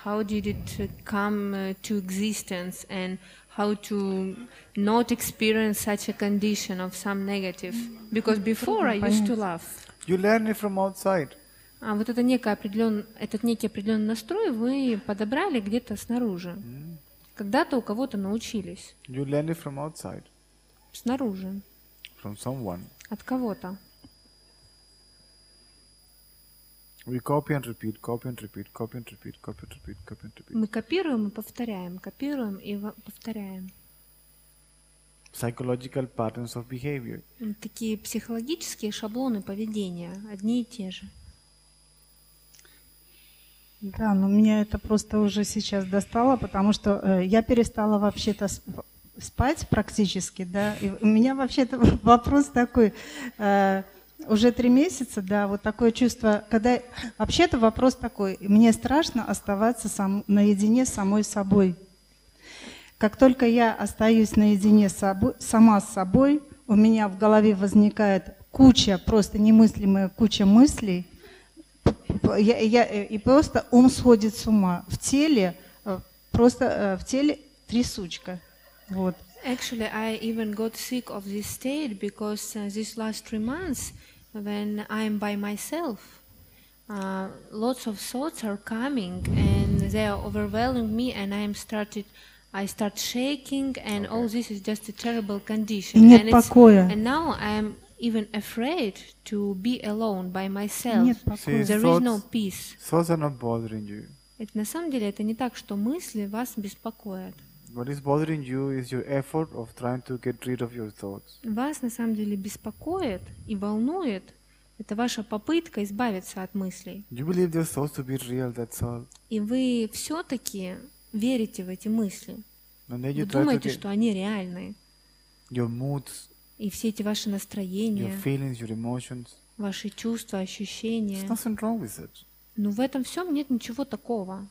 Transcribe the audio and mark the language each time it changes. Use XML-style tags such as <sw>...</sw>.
<en>How did it come to existence? And how to not experience such a condition of some negative? Because before I used to laugh. You learn it from outside.</en> <ru>А вот это некое определенное, этот некий определенный настрой вы подобрали где-то снаружи. Когда-то у кого-то научились.</ru> <en>You learn it from outside.</en> <ru>Снаружи.</ru> <en>From someone.</en> <ru>От кого-то.</ru> <en>We copy and repeat, copy and repeat, copy and repeat, copy and repeat, copy and repeat.</en> <ru>Мы копируем и повторяем, копируем и повторяем.</ru> <en>Psychological patterns of behavior.</en> <ru>Такие психологические шаблоны поведения, одни и те же. Да, но меня это просто уже сейчас достало, потому что я перестала вообще-то спать практически, да, и у меня вообще-то вопрос такой, уже 3 месяца, да, вот такое чувство, когда вообще-то вопрос такой, мне страшно оставаться наедине с самой собой. Как только я остаюсь наедине сама с собой, у меня в голове возникает куча, просто немыслимая куча мыслей, и просто ум сходит с ума. В теле, просто в теле трясучка. Вот.</ru> <en>Actually, I even got sick of this state because these last 3 months, when I'm by myself, lots of thoughts are coming and they are overwhelming me, and I start shaking, and all this is just a terrible condition.</en> <ru>И нет покоя.</ru> <en>And now I'm even afraid to be alone by myself.</en> <ru>Нет покоя.</ru> <en>There is no peace. Thoughts are not bothering you.</en> <ru>Это на самом деле это не так, что мысли вас беспокоят.</ru> <en>What is bothering you is your effort of trying to get rid of your thoughts.</en> <ru>Вас на самом деле беспокоит и волнует это ваша попытка избавиться от мыслей.</ru> <en>You believe those thoughts to be real, that's all.</en> <ru>И вы все-таки верите в эти мысли.</ru> <en>And then you</en> <ru>вы думаете, что они реальны.</ru> <en>Your moods,</en> <ru>и все эти ваши настроения,</ru> <en>your feelings, your emotions,</en> <ru>ваши чувства, ощущения.</ru> <en>There's nothing wrong with it.</en> <ru>Но в этом всем нет ничего такого.</ru>